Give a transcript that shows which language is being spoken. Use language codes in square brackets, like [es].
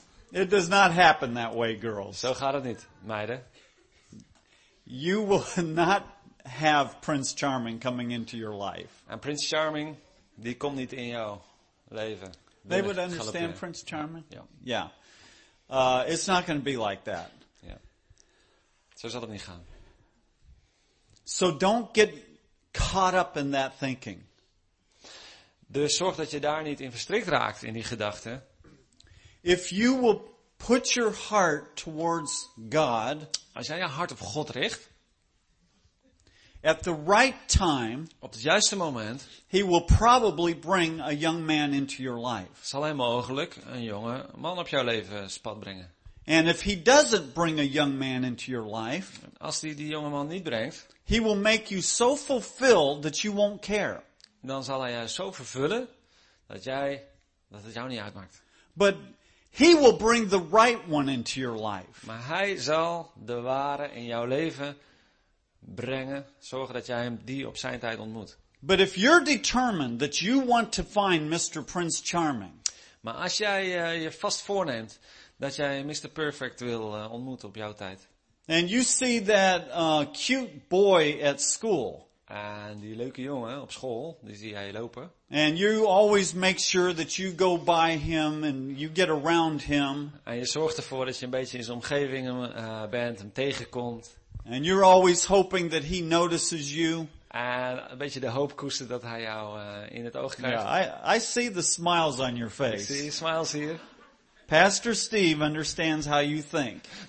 [en] It does not happen that way, girls. [nl] Zo gaat het niet, meiden. [en] You will not have Prince Charming coming into your life. [nl] En Prince Charming, die komt niet in jouw leven. [en] They would understand Prince Charming? Yeah. Yeah. It's not going to be like that. [nl] Yeah. Zo zal het niet gaan. [en] So don't get caught up in that thinking. [nl] Dus zorg dat je daar niet in verstrikt raakt in die gedachte. [en] If you will put your heart towards God, [nl] als jij je hart op God richt, [en] at the right time, [nl] op het juiste moment, [en] he will probably bring a young man into your life. [nl] Zal hij mogelijk een jonge man op jouw leven spat brengen. [en] And if he doesn't bring a young man into your life, [nl] als hij die jonge man niet brengt, [en] he will make you so fulfilled that you won't care. [nl] Dan zal hij jou zo vervullen dat het jou niet uitmaakt. [en] But he will bring the right one into your life. [nl] Maar hij zal de ware in jouw leven brengen, zorgen dat jij hem die op zijn tijd ontmoet. [en] But if you're determined that you want to find Mr. Prince Charming. [nl] Maar als jij je vast voorneemt dat jij Mr. Perfect wil ontmoeten op jouw tijd. [en] And you see that cute boy at school. [nl] En die leuke jongen op school, die zie jij lopen. [en] And you always make sure that you go by him and you get around him. [nl] En je zorgt ervoor dat je een beetje in zijn omgeving bent, hem tegenkomt. [en] And you're always hoping that he notices you. [nl] En een beetje de hoop koesteren dat hij jou in het oog krijgt. [en] Yeah, I see the smiles on your face. [nl] Ik zie je smiles hier. [en] Pastor Steve understands how you think.